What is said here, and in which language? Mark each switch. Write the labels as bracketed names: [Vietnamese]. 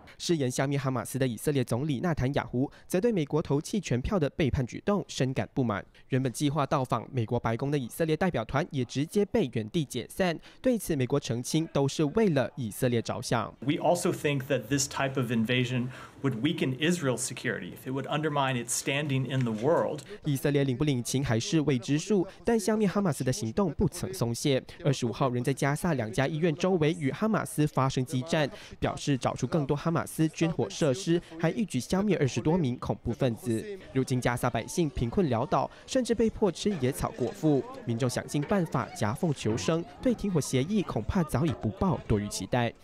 [Chinese] 誓言消灭哈马斯的以色列总理纳坦雅胡则对美国投弃权票的背叛举动深感不满。原本计划到访美国白宫的以色列代表团也直接被原地解散。对此，美国澄清都是为了以色列着想。 [English] We also think that this type of invasion would weaken Israel's security. It would undermine its standing in the world. [Chinese] 以色列领不领情还是未知数，但消灭哈马斯的行动不曾松懈。 25号仍在加萨两家医院周围与哈马斯发生激战，表示找出更多哈马斯军火设施，还一举消灭20多名恐怖分子。如今加萨百姓贫困潦倒，甚至被迫吃野草果腹，民众想尽办法夹缝求生，对停火协议恐怕早已不抱多余期待。